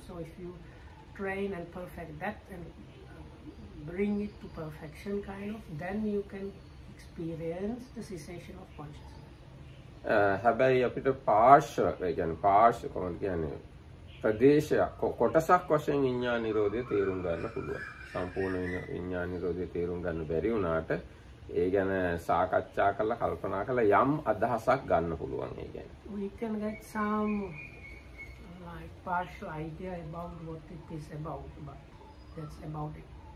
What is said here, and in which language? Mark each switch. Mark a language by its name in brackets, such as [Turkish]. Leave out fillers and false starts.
[English] So if you train and perfect that and bring it to perfection kind of, then you can experience the cessation of consciousness. [Sinhala] හැබැයි අපිට පාර්ශ්ව කියන්නේ පාර්ශ්වකම කියන්නේ ප්‍රදේශයක් කොටසක් වශයෙන් විඥාන නිරෝධය තේරුම් ගන්න පුළුවන්. සම්පූර්ණ විඥාන නිරෝධය තේරුම් ගන්න බැරි වුණාට ඒ ගැන සාකච්ඡා කරලා කල්පනා කරලා යම් අදහසක් ගන්න පුළුවන් ඒ ගැන. [English] We can get some like partial idea about what it is about, but that's about it.